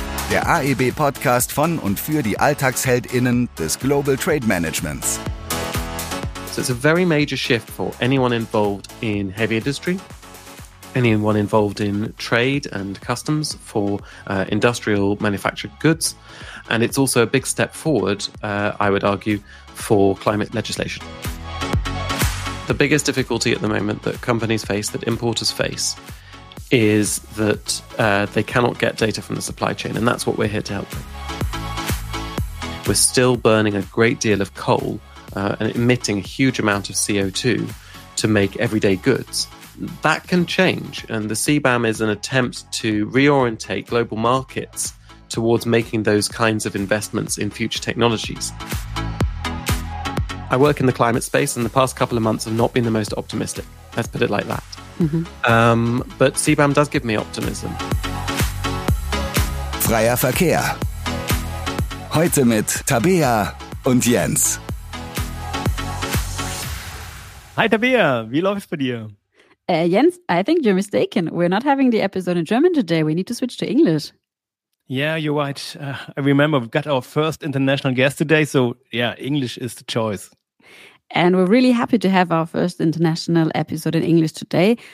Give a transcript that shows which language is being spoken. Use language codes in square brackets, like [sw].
[de] Der AEB-Podcast von und für die AlltagsheldInnen des Global Trade Managements. [en] So it's a very major shift for anyone involved in heavy industry, anyone involved in trade and customs for industrial manufactured goods. And it's also a big step forward, I would argue, for climate legislation. The biggest difficulty at the moment that companies face, that importers face, is that they cannot get data from the supply chain. And that's what we're here to help with. We're still burning a great deal of coal and emitting a huge amount of CO2 to make everyday goods. That can change. And the CBAM is an attempt to reorientate global markets towards making those kinds of investments in future technologies. I work in the climate space, and the past couple of months have not been the most optimistic. Let's put it like that. Mm-hmm. But CBAM does give me optimism. [de] Freier Verkehr. Heute mit Tabea und Jens. Hi Tabea, wie läuft's bei dir? [en] Jens, I think you're mistaken. We're not having the episode in German today. We need to switch to English. Yeah, you're right. I remember we've got our first international guest today. So yeah, English is the choice. And we're really happy to have our first international episode in English today.